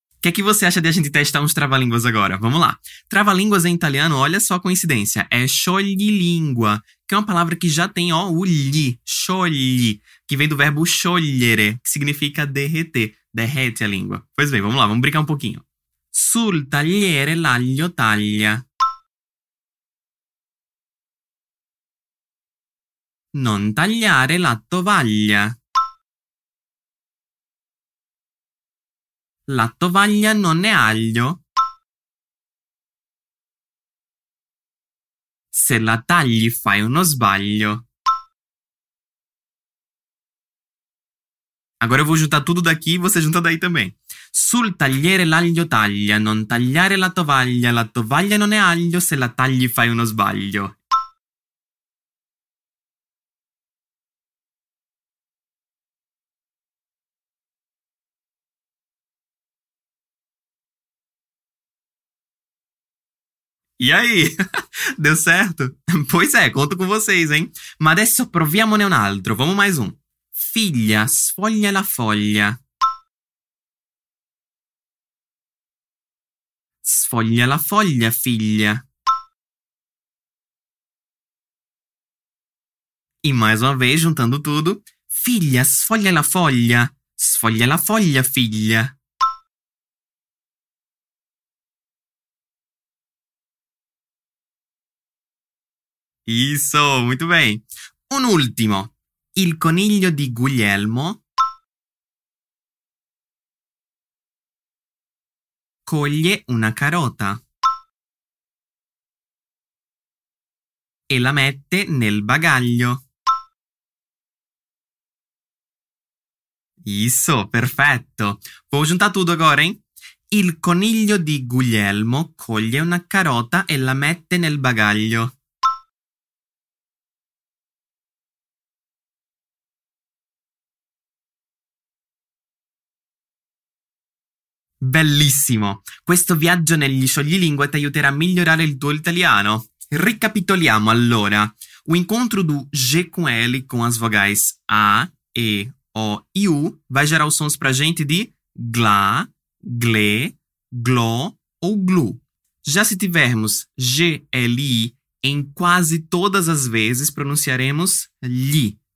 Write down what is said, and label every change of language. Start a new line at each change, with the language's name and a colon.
Portuguese: O que é que você acha de a gente testar uns trava-línguas agora? Vamos lá. Trava-línguas em italiano, olha só a coincidência. É scioglilingua, que é uma palavra que já tem, ó, o li, sciogli, que vem do verbo sciogliere, que significa derreter, derrete a língua. Pois bem, vamos lá, vamos brincar um pouquinho.
Italian: Sul tagliere l'aglio taglia. Non tagliare la tovaglia. La tovaglia non è aglio. Se la tagli fai uno sbaglio.
Portuguese: Agora eu vou juntar tudo daqui e você junta daí também.
Italian: Sul tagliere l'aglio taglia, non tagliare la tovaglia non è aglio, se la tagli fai uno sbaglio.
Portuguese: E aí? Deu certo? Pois é, conto com vocês, hein?
Italian: Ma adesso proviamone un altro.
Portuguese: Vamos mais um.
Italian: Figlia, sfoglia la foglia. Sfoglia la foglia, figlia.
Portuguese: E mais uma vez, juntando tudo.
Italian: Figlia, sfoglia la foglia. Sfoglia la foglia, figlia.
Portuguese: Isso, muito bem.
Italian: Un ultimo. Il coniglio di Guglielmo coglie una carota e la mette nel bagaglio.
Portuguese: Isso,
Italian: perfetto.
Portuguese: Vou juntar tudo agora, hein?
Italian: Il coniglio di Guglielmo coglie una carota e la mette nel bagaglio. Bellissimo! Questo viaggio negli scioglilingua ti aiuterà a migliorare il tuo italiano. Ricapitoliamo allora.
Portuguese: O incontro do G com L com as vogais A, E, O e U vai gerar os sons pra gente de gla, gle, glo ou glu. Já se tivermos GLI em quase todas as vezes, pronunciaremos li.